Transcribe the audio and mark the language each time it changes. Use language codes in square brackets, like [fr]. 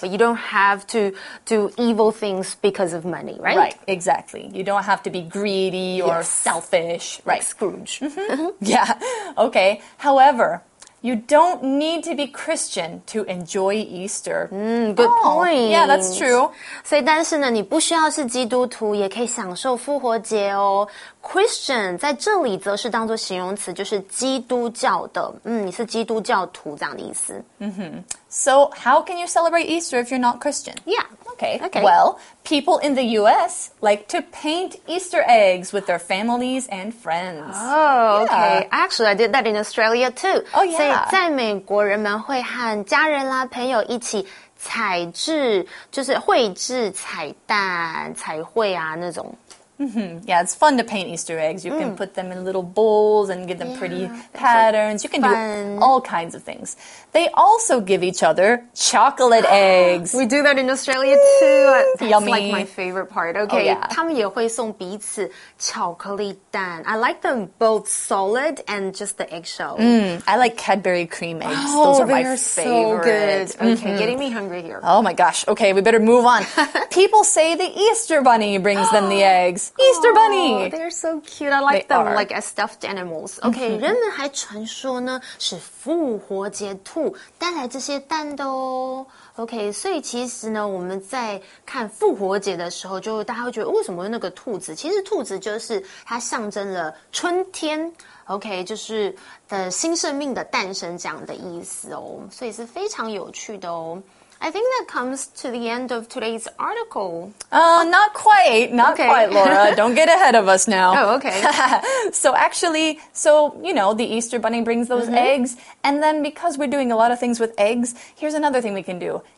[en] But you don't have to do evil things because of money, right? Right, exactly. You don't have to be greedy or selfish. Right. Like Scrooge. Yeah, okay. However... You don't need to be Christian to enjoy Easter. Good point. Yeah, that's true. [zh] 所以但是呢，你不需要是基督徒也可以享受复活节哦。 Christian 在这里则是当作形容词，就是基督教的。你是基督教徒这样的意思。 [en] So how can you celebrate Easter if you're not Christian? Yeah. Okay. Well, people in the U.S. like to paint Easter eggs with their families and friends. Okay. Actually, I did that in Australia too. Oh, yeah. [zh] 所以在美国人们会和家人啦、朋友一起彩制，就是绘制彩蛋、彩绘啊那种。 [en] Yeah, it's fun to paint Easter eggs. You can put them in little bowls and give them pretty patterns. You can do all kinds of things. They also give each other chocolate eggs. We do that in Australia too. That's yummy. That's like my favorite part. Okay, [zh] 他们也会送彼此巧克力蛋. [en] I like them both solid and just the eggshell. I like Cadbury cream eggs. Oh, those are they are favorite. So good. Okay, getting me hungry here. Oh my gosh. Okay, we better move on. People say the Easter bunny brings them the eggs. Easter bunny! They're so cute. I like them like as stuffed animals. [zh] Okay, 人们还传说呢是复活节兔带来这些蛋的哦。 Okay, 所以其实呢我们在看复活节的时候就大家会觉得为什么那个兔子其实兔子就是它象征了春天 Okay, 就是的新生命的诞生这样的意思哦。所以是非常有趣的哦。 [en] I think that comes to the end of today's article. Not quite, Laura. Don't get ahead of us now. Oh, okay. So, you know, the Easter Bunny brings those eggs. And then because we're doing a lot of things with eggs, here's another thing we can do.